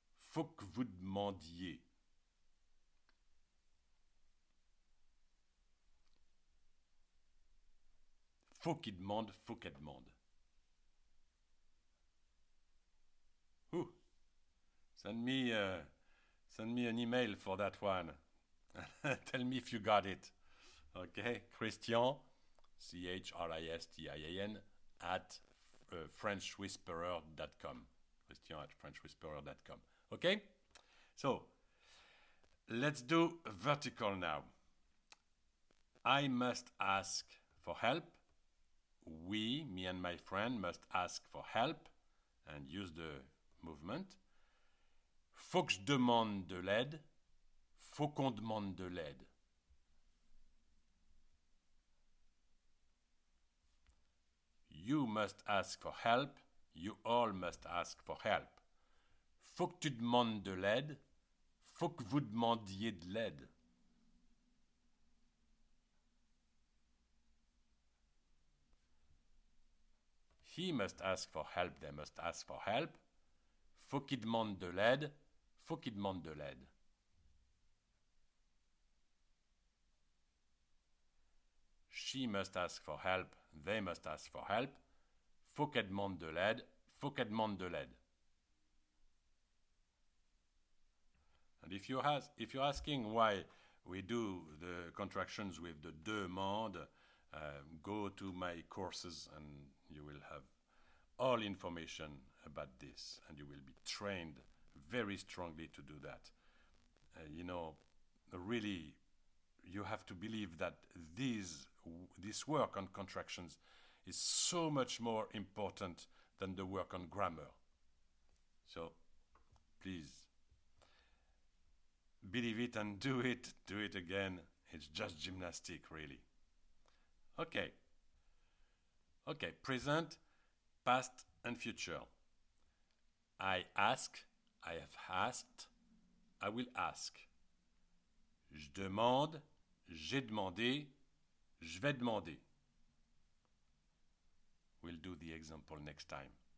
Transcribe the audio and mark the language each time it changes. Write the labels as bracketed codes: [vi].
[fr] Faut que vous demandiez. Faut qu'il demande, faut qu'elle demande. Ooh. [en] Send me an email for that one. Tell me if you got it. Okay, Christian, Christian, @FrenchWhisperer.com. Christian@FrenchWhisperer.com. Okay, so let's do vertical now. I must ask for help. We, me and my friend, must ask for help and use the movement. [fr] Faut que je demande de l'aide. Faut qu'on demande de l'aide. [en] You must ask for help. You all must ask for help. [fr] Faut que tu demandes de l'aide. Faut que vous demandiez de l'aide. [en] He must ask for help. They must ask for help. [fr] Faut qu'il demande de l'aide. Faut qu'il demande de l'aide. [en] She must ask for help. They must ask for help. [fr] Faut qu'elle demande de l'aide. [en] Faut qu'elle demande de l'aide. And if you're asking why we do the contractions with the demande, go to my courses and you will have all information about this and you will be trained very strongly to do that. You know, really, you have to believe that this work on contractions is so much more important than the work on grammar. So, please, believe it and do it again. It's just gymnastic, really. Okay, present, past, and future. I ask, I have asked, I will ask. [fr] Je demande, j'ai demandé, je vais demander. [en] We'll do the example next time.